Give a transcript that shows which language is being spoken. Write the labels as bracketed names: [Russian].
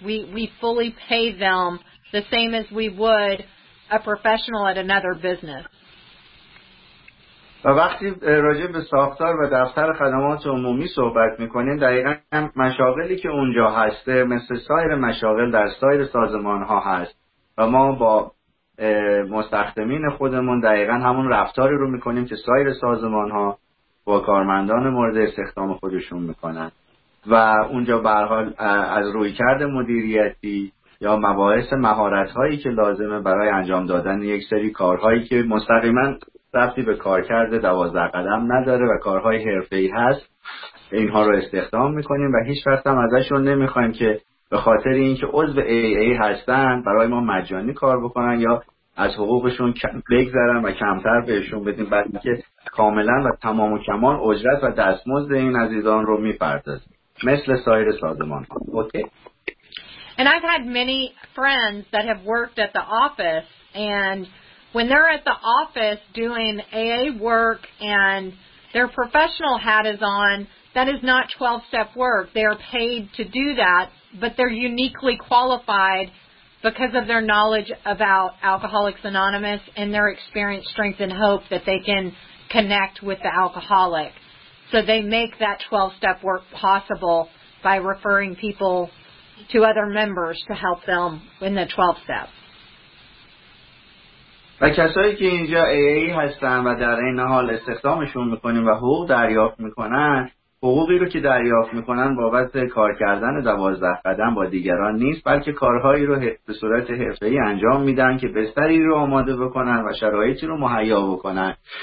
[English] We fully pay them the same as we would a professional at another business. [Persian] و و وقتی راجع به ساختار و دفتر خدمات عمومی صحبت میکنین، دقیقا مشاغلی که اونجا هسته مثل سایر مشاغل در سایر سازمان ها هست و ما با مستخدمین خودمون دقیقا همون رفتاری رو میکنیم که سایر سازمان ها با کارمندان مورد استخدام خودشون میکنن و اونجا به هر حال از رویکرد مدیریتی یا مباحث مهارت هایی که لازمه برای انجام دادن یک سری کارهایی که مستقیما ربطی به کارکرد 12 قدم نداره و کارهای حرفه‌ای هست، اینها رو استخدام میکنیم و هیچ وقت هم ازشون نمیخوایم که به خاطر اینکه عضو AA هستن برای ما مجانی کار بکنن یا از حقوقشون بگذرن و کمتر بهشون بدیم، بلکه کاملا و تمام و کمال اجرت و دستمزد این عزیزان رو میپردازیم مثل سایر سازمان. اوکی. [English] And I've had many friends that have worked at the office, and when they're at the office doing AA work and their professional hat is on, that is not 12-step work. They're paid to do that, but they're uniquely qualified because of their knowledge about Alcoholics Anonymous and their experience, strength, and hope that they can connect with the alcoholic. So they make that 12-step work possible by referring people to other members to help them in the 12 steps. [Persian] و کسایی که اینجا AA هستن و در این حال استخدامشون میکنیم و حقوق دریافت میکنن، حقوقی رو که دریافت میکنن بابت کار کردن 12 قدم با دیگران نیست، بلکه کارهایی رو به صورت حرفه‌ای انجام میدن که بستری رو آماده بکنن و شرایطی رو مهیا بکنن